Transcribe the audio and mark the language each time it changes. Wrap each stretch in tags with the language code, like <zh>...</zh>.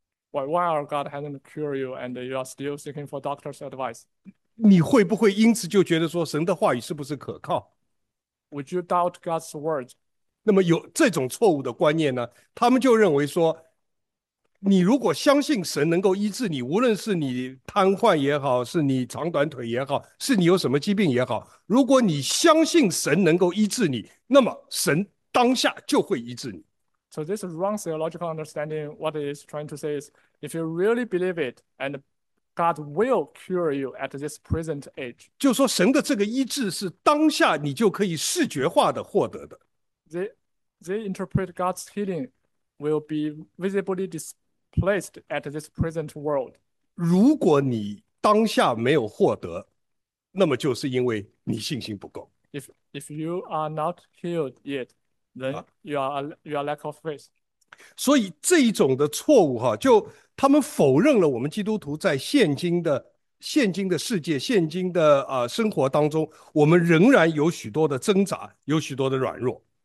<en>Why our God hasn't cured you and you are still seeking for doctor's advice?</en> <zh>你会不会因此就觉得说神的话语是不是可靠？</zh> <en>Would you doubt God's word?</en> <zh>那么有这种错误的观念呢？他们就认为说，你如果相信神能够医治你，无论是你瘫痪也好，是你长短腿也好，是你有什么疾病也好，如果你相信神能够医治你，那么神当下就会医治你。</zh> <en>So this wrong theological understanding, what it is trying to say is, if you really believe it, and God will cure you at this present age,</en> <zh>就说神的这个医治是当下你就可以视觉化的获得的。</zh> <en>they interpret God's healing will be visibly displaced at this present world.</en> <zh>如果你当下没有获得，那么就是因为你信心不够。</zh> <en>If you are not healed yet, then you are lack of faith.</en> <zh>所以这一种的错误哈，就他们否认了我们基督徒在现今的世界，现今的生活当中，我们仍然有许多的挣扎，有许多的软弱。</zh>